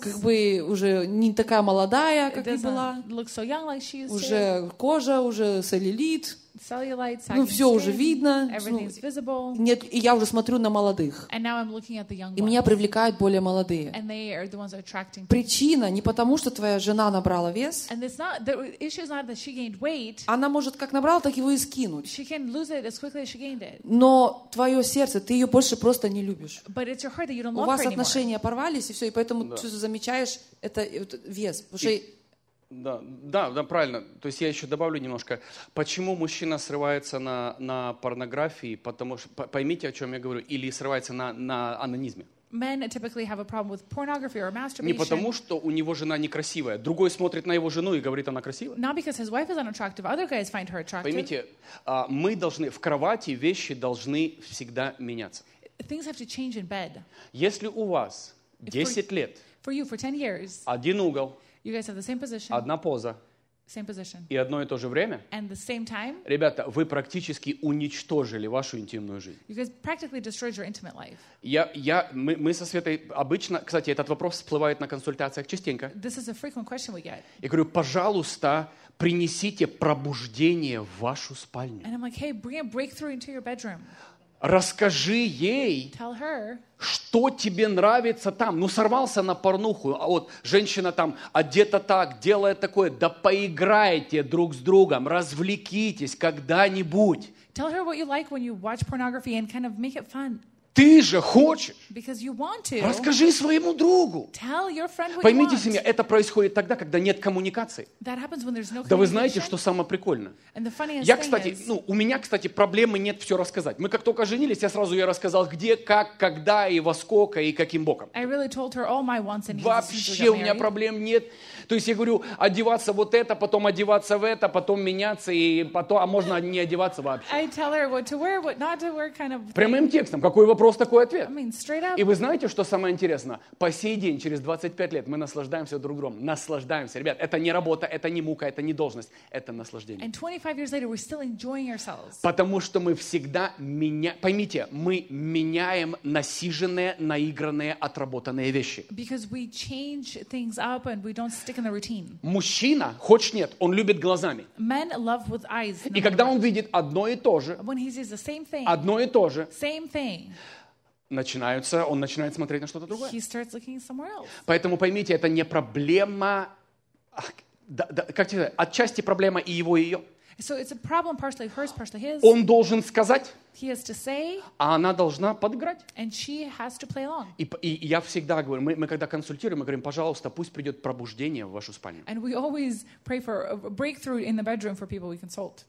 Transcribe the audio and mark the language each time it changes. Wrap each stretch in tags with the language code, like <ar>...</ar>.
<ru>как бы уже не такая молодая, как и была.</ru> <en>Look so young, like she used</en> <ru>уже</ru> <en>to.</en> <ru>Кожа, уже целлюлит.</ru> <en>Cellulite,</en> <ru>ну, все</ru> <en>skin,</en> <ru>уже видно.</ru> <en>Everything's visible.</en> <ru>Нет, и я уже смотрю на молодых.</ru> <en>And now I'm looking at the young ones.</en> <ru>И меня привлекают более молодые.</ru> <en>And they are the ones attracting.</en> <ru>Причина не потому, что твоя жена набрала вес.</ru> <en>And it's not, the issue is not that she gained weight.</en> <ru>Она может как набрала, так его и скинуть.</ru> <en>She can lose it as quickly as she gained it.</en> <ru>Но твое сердце, ты ее больше просто не любишь.</ru> <en>But it's your heart that you don't love her anymore.</en> <ru>У вас отношения порвались, и все, и поэтому ты замечаешь это вес. Да, да, да, правильно. То есть я еще добавлю немножко. Почему мужчина срывается на порнографии? Потому что поймите, о чем я говорю, или срывается на онанизме.</ru> <en>Men typically have a problem with pornography or masturbation.</en> <ru>Не потому, что у него жена некрасивая. Другой смотрит на его жену и говорит, она красивая.</ru> <en>Not because his wife is unattractive. Other guys find her attractive.</en> <ru>Поймите, мы должны в кровати вещи должны всегда меняться.</ru> <en>Things have to change in bed.</en> <ru>Если у вас 10 лет.</ru> <en>For you, for 10 years.</en> <ru>Один угол.</ru> <en>You guys have the same position.</en> <ru>Одна поза.</ru> <en>Same position.</en> <ru>И одно и то же время.</ru> <en>And the same time.</en> <ru>Ребята, вы практически уничтожили вашу интимную жизнь.</ru> <en>You guys practically destroyed your intimate life.</en> <ru>Мы со Светой обычно, кстати, этот вопрос всплывает на консультациях частенько.</ru> <en>This is a frequent question we get.</en> <ru>Я говорю, пожалуйста, принесите пробуждение в вашу спальню.</ru> <en>And I'm like, hey, bring a breakthrough into your bedroom.</en> <ru>Расскажи ей,</ru> <en>tell her,</en> <ru>что тебе нравится там. Ну, сорвался на порнуху, а вот женщина там одета так, делает такое. Да поиграйте друг с другом, развлекитесь когда-нибудь.</ru> <en>Tell her what you like when you watch pornography and kind of make it fun.</en> <ru>Ты же хочешь.</ru> <en>Because you want to.</en> <ru>Расскажи своему другу.</ru> <en>Tell your friend what</en> <ru>поймите,</ru> <en>you want.</en> <ru>Семья, это происходит тогда, когда нет коммуникации.</ru> <en>That happens when there's no communication.</en> <ru>Да вы знаете, что самое прикольное?</ru> <en>And the funniest</en> <ru>я, кстати,</ru> <en>thing is,</en> <ru>ну, у меня, кстати, проблемы нет все рассказать. Мы как только женились, я сразу ей рассказал, где, как, когда, и во сколько, и каким боком.</ru> <en>I really told her all my wants and</en> <ru>вообще у меня проблем нет. То есть я говорю, одеваться вот это, потом одеваться в это, потом меняться, и потом, а можно не одеваться вообще.</ru> <en>I tell her what to wear, what not to wear, kind of thing.</en> <ru>Прямым текстом, какой вопрос? Просто такой ответ.</ru> <en>I mean, straight up.</en> <ru>И вы знаете, что самое интересное? По сей день, через 25 лет, мы наслаждаемся друг другом. Наслаждаемся. Ребят, это не работа, это не мука, это не должность. Это наслаждение.</ru> <en>And 25 years later, we're still enjoying ourselves.</en> <ru>Потому что мы всегда меняем... Поймите, мы меняем насиженные, наигранные, отработанные вещи.</ru> <en>Because we change things up and we don't stick in the routine.</en> <ru>Мужчина, хочешь нет, он любит глазами.</ru> <en>Men love with eyes.</en> <ru>И когда он видит одно и то же,</ru> <en>when he sees the same thing,</en> <ru>одно и то же,</ru> <en>same thing,</en> <ru>начинаются, он начинает смотреть на что-то другое.</ru> <en>He starts looking somewhere else.</en> <ru>Поэтому поймите, это не проблема, как тебе сказать, отчасти проблема и его, и ее.</ru> <en>So it's a problem, partially hers, partially his.</en> <ru>Он должен сказать.</ru> <en>He has to say,</en> <ru>а она должна подыграть.</ru> <en>And she has to play along.</en> <ru>И я всегда говорю, мы когда консультируем, мы говорим, пожалуйста, пусть придет пробуждение в вашу спальню.</ru> <en>And we always pray for a breakthrough in the bedroom for people we consult.</en>